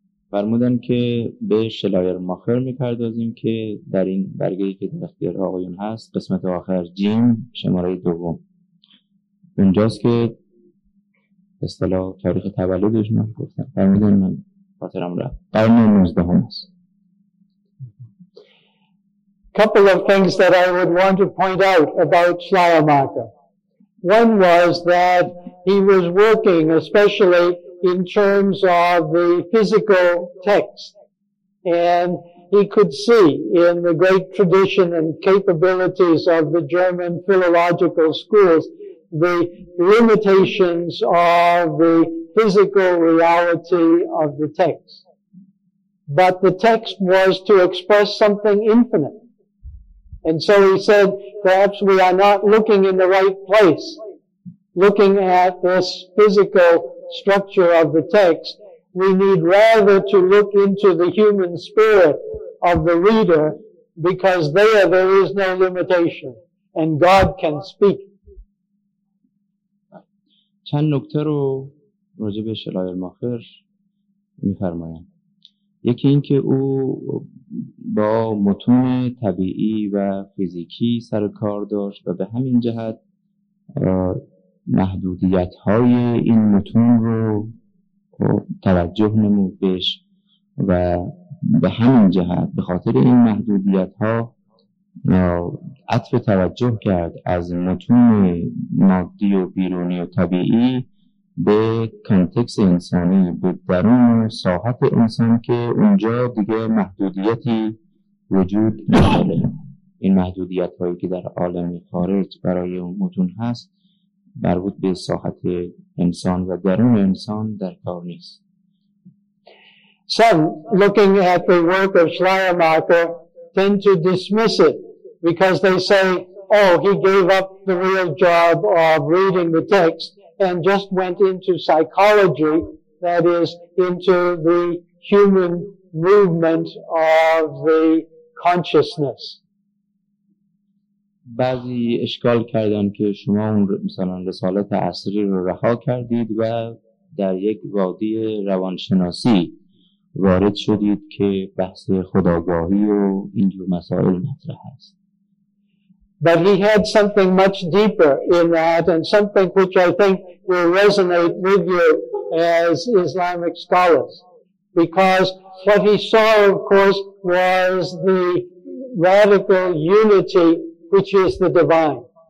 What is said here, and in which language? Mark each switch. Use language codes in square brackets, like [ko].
[fa] فرمودن که به شلایر ماخر میپردازیم که در این برگه‌ای که در اختیار آقایون هست قسمت آخر جیم شماره دوم اونجاست که اصطلاح تاریخ تولدش من گفتن فرمودن من خاطرم را قرن 19 هم هست. [en] Couple of things that I would want to point out about Schleiermacher. One was that he was working especially in terms of the physical text. And he could see in the great tradition and capabilities of the German philological schools the limitations of the physical reality of the text. But the text was to express something infinite. And so he said, perhaps we are not looking in the right place, looking at this physical structure of the text. We need rather to look into the human spirit of the reader, because there is no limitation, and God can speak. [fa] چند نکته رو راجع به شلایرماخر می‌فرمایم. یکی این که او با متون طبیعی و فیزیکی سر کار داشت و به همین جهت محدودیت های این متون رو توجه نمود بهش و به همین جهت به خاطر این محدودیت ها عطف توجه کرد از متون مادی و بیرونی و طبیعی به کانتکس انسانی، به درون ساحت انسان که اونجا دیگه محدودیتی وجود نداره. این محدودیت هایی که در عالم خارج برای اون متون هست مربوط به ساحت انسان و درون انسان در کار نیست. [en] Some looking at the work of Schleiermacher tend to dismiss it because they say, oh, he gave up the real job of reading the text and just went into psychology, that is, into the human movement of the consciousness. [fa] بعضی اشکال کردن که شما اون مثلا رسالت عصری رو رها کردید و در یک وادی روانشناسی وارد شدید که بحث خودآگاهی و اینجور مسائل مطرح است. [en] But he had something much deeper in that, and something which I think will resonate with you as Islamic scholars. Because what he saw, of course, was the radical unity which is the divine.